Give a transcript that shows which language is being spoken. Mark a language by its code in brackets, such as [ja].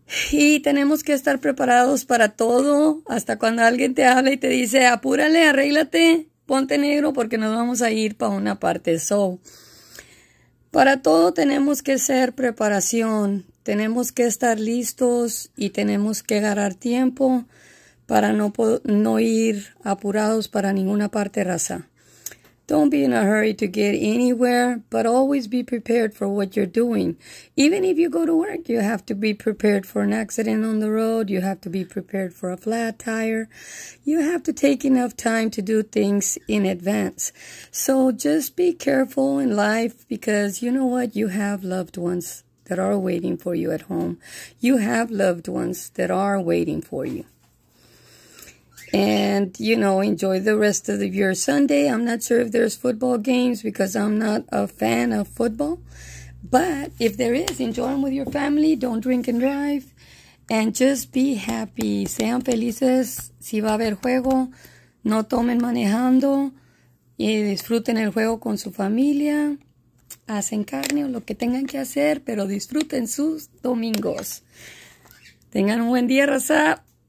[es] Y tenemos que estar preparados para todo. Hasta cuando alguien te habla y te dice, apúrale, arréglate, ponte negro porque nos vamos a ir para una parte. So, para todo tenemos que ser preparación. Tenemos que estar listos y tenemos que agarrar tiempo para no ir apurados para ninguna parte, raza. [en] Don't be in a hurry to get anywhere, but always be prepared for what you're doing. Even if you go to work, you have to be prepared for an accident on the road. You have to be prepared for a flat tire. You have to take enough time to do things in advance. So just be careful in life because you know what? You have loved ones that are waiting for you at home. You have loved ones that are waiting for you. And, you know, enjoy the rest of your Sunday. I'm not sure if there's football games because I'm not a fan of football. But if there is, enjoy them with your family. Don't drink and drive. And just be happy. [es] Sean felices. Si va a haber juego, no tomen manejando. Y disfruten el juego con su familia. Hacen carne o lo que tengan que hacer, pero disfruten sus domingos. Tengan un buen día, Raza.